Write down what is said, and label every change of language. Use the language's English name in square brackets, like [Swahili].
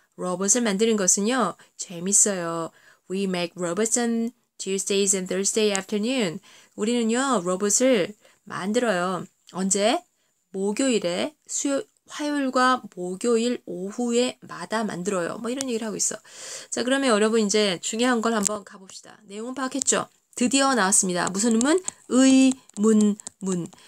[Korean] 로봇을 만드는 것은요, 재밌어요. [English] We make robots on Tuesdays and Thursday afternoon. [Korean] 우리는요, 로봇을 만들어요. 언제? 목요일에, 화요일과 목요일 오후에 마다 만들어요. 뭐 이런 얘기를 하고 있어. 자, 그러면 여러분 이제 중요한 걸 한번 가봅시다. 내용은 파악했죠? 드디어 나왔습니다. 무슨 문? 의문문.